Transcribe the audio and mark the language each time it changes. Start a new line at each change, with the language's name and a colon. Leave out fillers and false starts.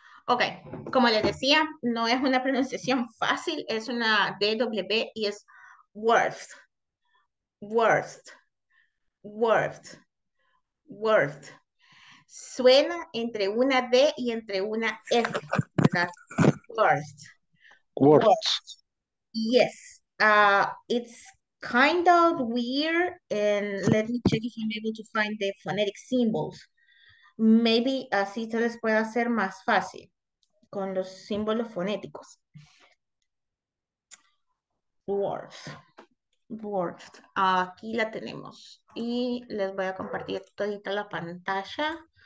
Spanish: Ok, como les decía, no es una pronunciación fácil, es una DW y es worst, worst, worst, worst. Suena entre una D y entre una F, ¿verdad?
English: Worst, worst. Words. Yes, it's kind of weird and let me check if I'm able to find the phonetic symbols.
Spanish: Maybe así se les puede hacer más fácil con los símbolos fonéticos. Words. Words. Aquí la tenemos. Y les voy a compartir todita la pantalla.